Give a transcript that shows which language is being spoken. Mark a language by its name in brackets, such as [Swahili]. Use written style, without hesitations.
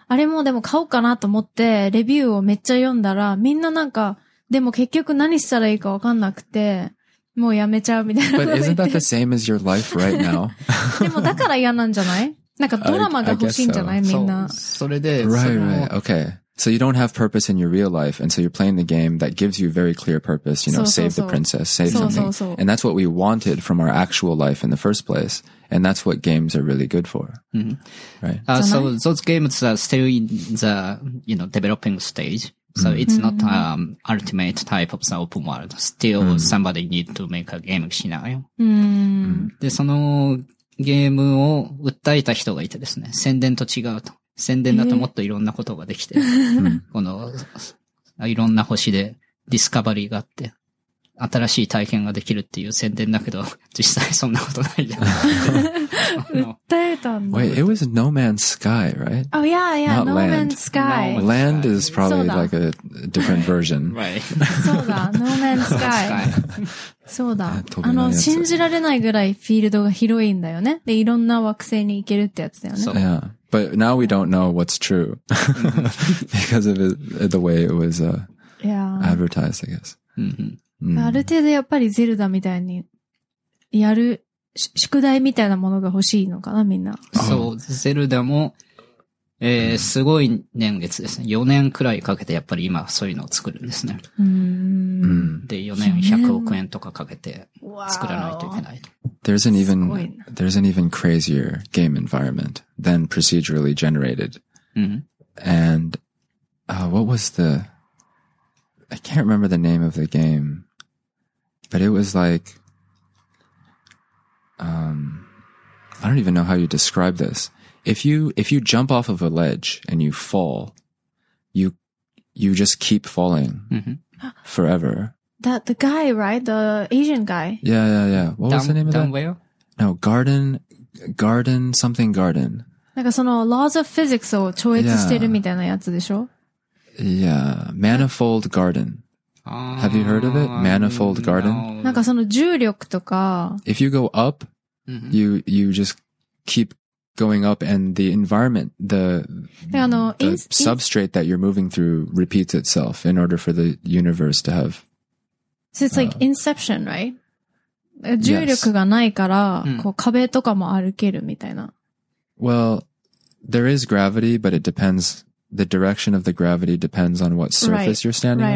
[Japanese] あれもでも買おうかなと思って、レビューをめっちゃ読んだら、みんななんか、でも結局何したらいいか分かんなくて、もうやめちゃうみたいな。 [English] But isn't that the same as your life right now? [Japanese] でもだから嫌なんじゃない?なんかドラマが欲しいんじゃない? みんな。それで、 [English] Right. Okay. So you don't have purpose in your real life, and so you're playing the game that gives you very clear purpose, you know, save the princess, save something. And that's what we wanted from our actual life in the first place. And that's what games are really good for. Right. So those games are still in the, you know, developing stage. So it's not ultimate type of the open world. Still, somebody need to make a game scenario. [Japanese] で、そのゲームを訴えた人がいてですね、宣伝と違うと。宣伝だともっといろんなことができて、このいろんな星でディスカバリーがあって、新しい体験ができるっていう宣伝だけど、実際そんなことないじゃん。訴えたんだ。 [English] Wait, it was No Man's Sky, right? Oh, yeah, yeah, No Man's Sky. Land is probably like a different version. Right. [Japanese] そうだ、No Man's Sky. そうだ。あの、信じられないぐらいフィールドが広いんだよね。で、いろんな惑星に行けるってやつだよね。 [English] So, yeah. But now we don't know what's true. Because of the way it was advertised, I guess. [Japanese] ある程度やっぱりゼルダみたいにやる。宿題みたいなものが欲しいのかな、みんな。そう、ゼルダも、すごい年月ですね。4年くらいかけて、やっぱり今、そういうのを作るんですね。で、4年100億円とかかけて、作らないといけない。 [English] There's an even crazier game environment than procedurally generated.、And, what was the, I can't remember the name of the game, but it was like,I don't even know how you describe this. If you jump off of a ledge and you fall, you just keep falling forever. That the guy, right? The Asian guy. Yeah. What was the name of that? Dan Whale? No, Garden, something Garden. [Japanese] なんかその [English] laws of physics [Japanese] を超越してるみたいなやつでしょ? [English] Yeah, Manifold Garden. Have you heard of it? Manifold Garden? [Japanese] なんかその重力とか。 [English] If you go up, you just keep going up and the environment, the substrate that you're moving through repeats itself in order for the universe to have. So it's like Inception, right? [Japanese] 重力がないから、こう壁とかも歩けるみたいな。 [English] Well, there is gravity, but it depends. The direction of the gravity depends on what surface you're standing